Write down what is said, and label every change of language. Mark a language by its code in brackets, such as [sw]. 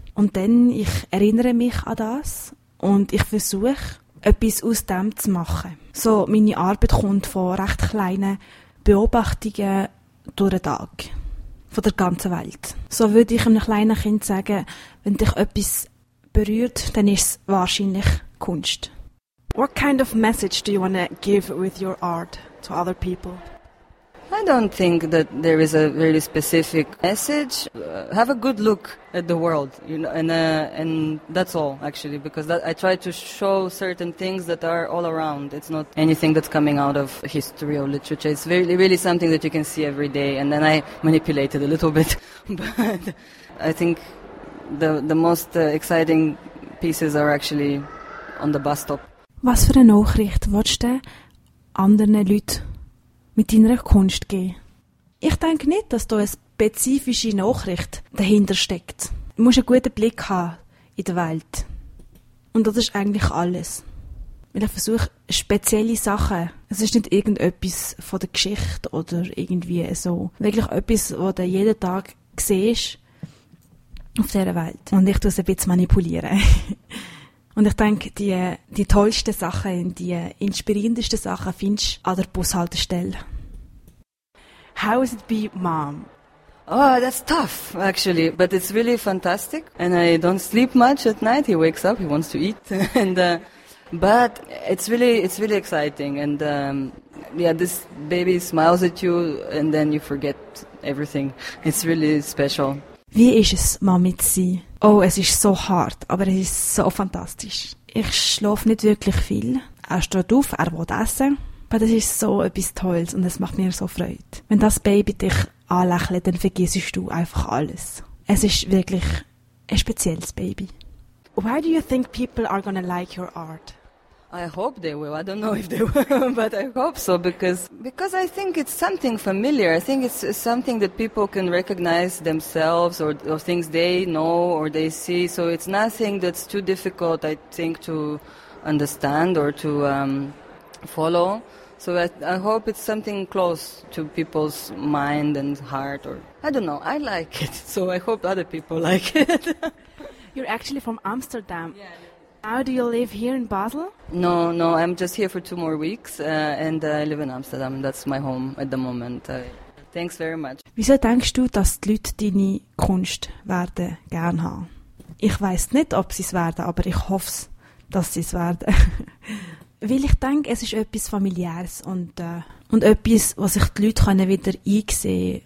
[de] Und dann, ich erinnere mich an das und ich versuche, etwas aus dem zu machen. So, meine Arbeit kommt von recht kleinen Beobachtungen durch den Tag, von der ganzen Welt. So würde ich einem kleinen Kind sagen, wenn dich etwas berührt, dann ist es wahrscheinlich Kunst. [en] What kind of message do you want to give with your art to other people? I don't think that there is a really specific message. Have a good look at the world, you know, and that's all, actually, because that, I try to show certain things that are all around. It's not anything that's coming out of history or literature. It's really, really something that you can see every day, and then I manipulate it a little bit. But I think the most exciting pieces are actually on the bus stop. [de] Was für eine Nachricht willst du anderen Leuten mit deiner Kunst geben? Ich denke nicht, dass da eine spezifische Nachricht dahinter steckt. Du musst einen guten Blick haben in der Welt. Und das ist eigentlich alles. Weil ich versuche, spezielle Sachen, es ist nicht irgendetwas von der Geschichte oder irgendwie so, wirklich etwas, was du jeden Tag siehst auf dieser Welt. Und ich tue es ein bisschen manipulieren. Und ich denke, die tollsten Sachen, die inspirierendsten Sachen findest du an der Bushaltestelle. [en] How is it be mom? Oh, that's tough, actually. But it's really fantastic. And I don't sleep much at night. He wakes up, he wants to eat. And but it's really exciting. And yeah, this baby smiles at you and then you forget everything. It's really special. [de] Wie ist es, Mami zu sein? Oh, es ist so hart, aber es ist so fantastisch. Ich schlafe nicht wirklich viel. Er steht auf, er will essen. Aber das ist so etwas Tolles und es macht mir so Freude. Wenn das Baby dich anlächelt, dann vergisst du einfach alles. Es ist wirklich ein spezielles Baby. [en] Why do you think people are gonna like your art? I hope they will. I don't know if they will, but I hope so, because I think it's something familiar. I think it's something that people can recognize themselves or things they know or they see. So it's nothing that's too difficult, I think, to understand or to follow. So I hope it's something close to people's mind and heart. Or I don't know. I like it, so I hope other people like it. You're actually from Amsterdam. Yeah. How do you live here in Basel? No, I'm just here for 2 more weeks and I live in Amsterdam. That's my home at the moment. Thanks very much. [de] Wieso denkst du, dass die Leute deine Kunst werden gern haben? Ich weiss nicht, ob sie es werden, aber ich hoffe, dass sie es werden. Weil ich denke, es ist etwas Familiäres und etwas, was sich die Leute können wieder einsehen können.